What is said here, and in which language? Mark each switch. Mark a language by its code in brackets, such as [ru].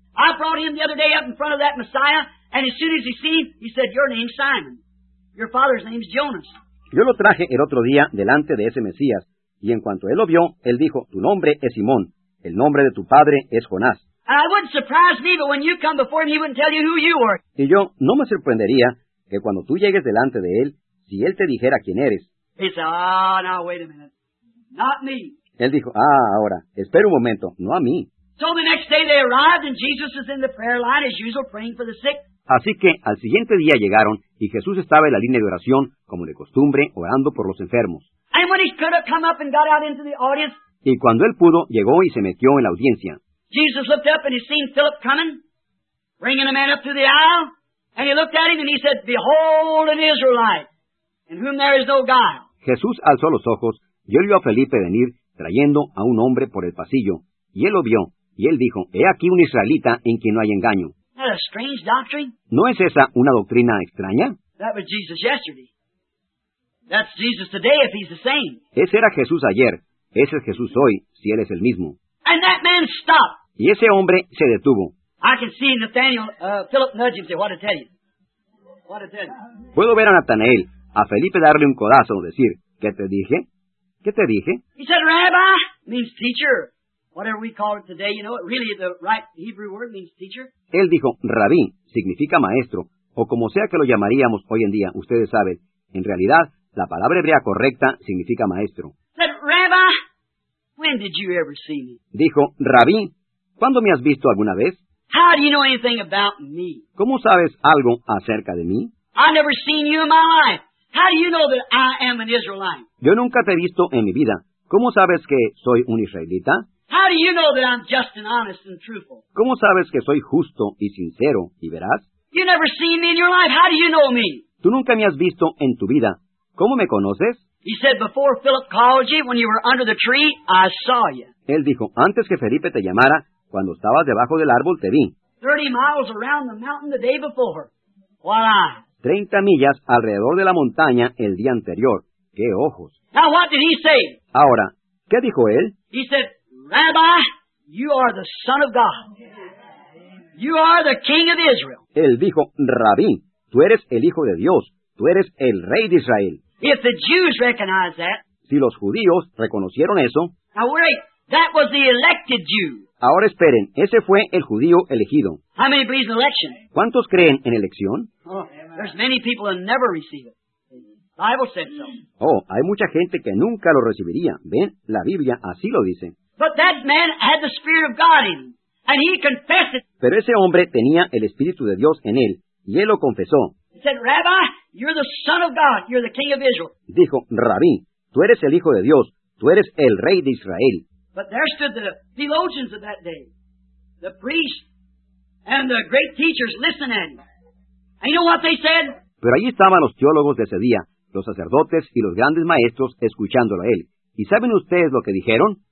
[en] I brought him the other day up in front of that Messiah, and as soon as he seen, he said, "Your name's Simon. Your father's name's Jonas." [es] Yo lo traje el otro día delante de ese Mesías, y en cuanto él lo vio, él dijo, "Tu nombre es Simón. El nombre de tu padre es Jonás." [en] I wouldn't surprise me, but when you come before him, he wouldn't tell you who you are. [es] Y yo no me sorprendería que cuando tú llegues delante de él, si él te dijera quién eres. [en] He said, "Oh, now wait a minute. Not me." [es] Él dijo, "Ah, ahora, espera un momento, no a mí." [en] So the next day they arrived and Jesus is in the prayer line as usual praying for the sick. [es] Así que al siguiente día llegaron y Jesús estaba en la línea de oración como de costumbre orando por los enfermos. [en] And when he could have come up and got out into the audience. [es] Y cuando él pudo, llegó y se metió en la audiencia. [en] Jesus looked up and he seen Philip coming, bringing a man up through the aisle, and he looked at him and he said, "Behold an Israelite, in whom there is no guile." [es] Jesús alzó los ojos. Y él vio a Felipe venir trayendo a un hombre por el pasillo. Y él lo vio, y él dijo, "He aquí un israelita en quien no hay engaño." [en] That's a strange doctrine. [es] ¿No es esa una doctrina extraña? [en] That was Jesus yesterday. That's Jesus today if he's the same. [es] Ese era Jesús ayer. Ese es Jesús hoy, si él es el mismo. [en] And that man stopped. [es] Y ese hombre se detuvo. [en] I can see Nathanael, Philip nudging him, "What to tell you? What to tell you?" [es] Puedo ver a Natanael, a Felipe darle un codazo, decir, "¿Qué te dije? ¿Qué te dije?" [en] He said, "Rabbi," means teacher, whatever we call it today, you know, really the right Hebrew word means teacher. [es] Él dijo, "Rabí," significa maestro, o como sea que lo llamaríamos hoy en día, ustedes saben, en realidad, la palabra hebrea correcta significa maestro. [en] He said, "Rabbi, when did you ever see me?" [es] Dijo, "Rabí, ¿cuándo me has visto alguna vez?" [en] How do you know anything about me? [es] ¿Cómo sabes algo acerca de mí? [en] I've never seen you in my life. How do you know that I am an Israelite? [es] Yo nunca te he visto en mi vida. ¿Cómo sabes que soy un israelita? [en] How do you know that I'm just and honest and truthful? [es] ¿Cómo sabes que soy justo y sincero y veraz? [en] You never seen me in your life. How do you know me? [es] Tú nunca me has visto en tu vida. ¿Cómo me conoces? [en] He said, before Philip called you, when you were under the tree, I saw you. [es] Él dijo, antes que Felipe te llamara, cuando estabas debajo del árbol, te vi. [en] 30 miles around the mountain the day before. [fr] Voilà. [es] 30 millas alrededor de la montaña el día anterior. ¡Qué ojos! [en] Now, what did he say? [es] Ahora, ¿qué dijo él? [en] He said, Rabbi, you are the Son of God. You are the King of Israel. [es] Él dijo, Rabí, tú eres el Hijo de Dios. Tú eres el Rey de Israel. [en] If the Jews recognize that, [es] si los judíos reconocieron eso, [en] now wait, that was the elected Jew. [es] Ahora esperen, ese fue el judío elegido. [en] How many believe in election? [es] ¿Cuántos creen en elección? [en] Oh, there's many people who never receive it. The Bible said so. [es] Oh, hay mucha gente que nunca lo recibiría. Ven, la Biblia así lo dice. [en] But that man had the Spirit of God in him, and he confessed it. [es] Pero ese hombre tenía el Espíritu de Dios en él, y él lo confesó. [en] He said, Rabbi, you're the Son of God. You're the King of Israel. [es] Dijo, Rabí, tú eres el Hijo de Dios. Tú eres el Rey de Israel. [en] But there stood the theologians of that day, the priests and the great teachers listening. And you know what they said? [es] Pero allí estaban los teólogos de ese día, los sacerdotes y los grandes maestros escuchándolo a él. ¿Y saben ustedes lo que dijeron?